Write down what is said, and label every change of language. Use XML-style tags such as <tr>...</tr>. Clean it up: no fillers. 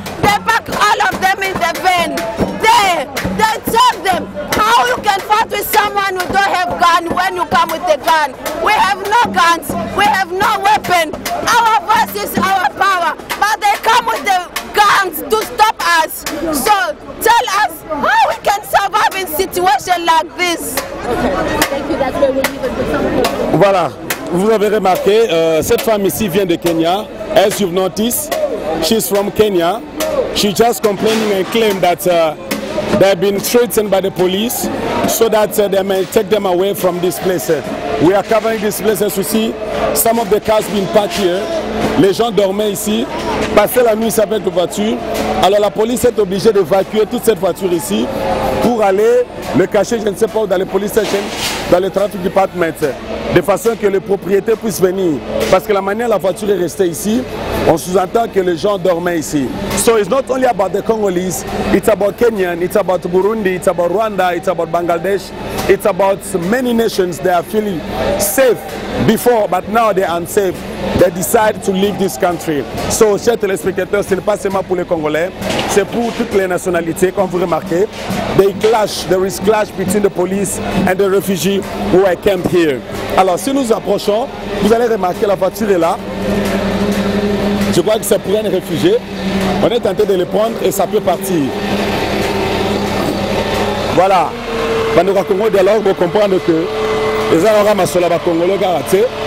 <en>They pack all of them in the van. They tell them how you can fight with someone who don't have gun when you come with a gun. We have no guns. We have no weapon. Our voice is our power. But they come with the guns to stop us. So tell us how we can survive in situation like this.</en> <fr>Voilà. Vous avez remarqué, cette femme ici vient de Kenya.</fr> <en>As you've noticed, she's from Kenya. She's just complaining and claim that they have been threatened by the police so that they may take them away from this place. We are covering this place as you see. Some of the cars been parked here.</en> <fr>Les gens dormaient ici. Passaient la nuit avec la voiture. Alors la police est obligée d'évacuer toute cette voiture ici pour aller le cacher, je ne sais pas où, dans les police station, dans le traffic department, de façon que les propriétaires puissent venir. Parce que la manière la voiture est restée ici, on sous-entend que les gens dormaient ici.</fr> <en>So it's not only about the Congolese, it's about Kenyan, it's about Burundi, it's about Rwanda, it's about Bangladesh, it's about many nations that are feeling safe before, but now they're unsafe. They decide to leave this country.</en> <fr>So, chers téléspectateurs, ce n'est pas seulement pour les Congolais, c'est pour toutes les nationalités, comme vous remarquez.</fr> <en>They clash, there is clash between the police and the refugees who are camped here.</en> <fr>Alors, si nous approchons, vous allez remarquer la voiture est là. Je crois que c'est pour un réfugié. On est tenté de le prendre et ça peut partir. Voilà. Quand nous racontons des langues, vous comprenez que les Arabes sont là-bas, Congolais, garantis.</fr>